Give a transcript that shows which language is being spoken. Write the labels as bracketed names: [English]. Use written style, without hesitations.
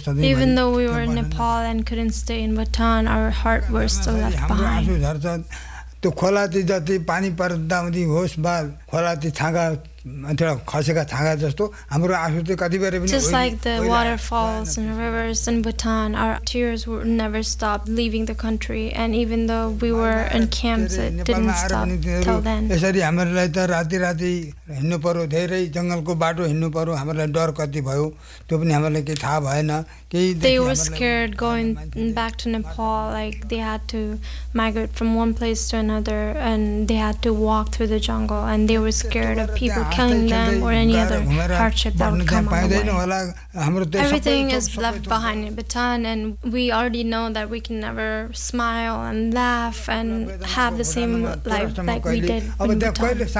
[English] Even though we were in Nepal and couldn't stay in Bhutan, our heart was still left behind. [Nepali] त्यो खोला ती जति पानी पर्दा हुँदै होस् बा खोला ती छाँगा त्यहाँ खसेका छाँगा जस्तो हाम्रो आँसु चाहिँ कति बेर पनि [English] Just like the waterfalls and rivers in Bhutan our tears would never stop leaving the country and even the we were in camps it didn't stop till then. [Nepali] यसरी हामीलाई त राति राति हिँड्नु पर्यो धेरै जङ्गलको बाटो हिँड्नु पर्यो हामीलाई डर कति भयो त्यो पनि हामीलाई केही थाहा भएन. [English] They were scared going back to Nepal, like they had to migrate from one place to another and they had to walk through the jungle and they were scared of people killing them or any other hardship that would come on the way. Everything is left behind in Bhutan, and we already know that we can never smile and laugh and have the same life like we did in Bhutan.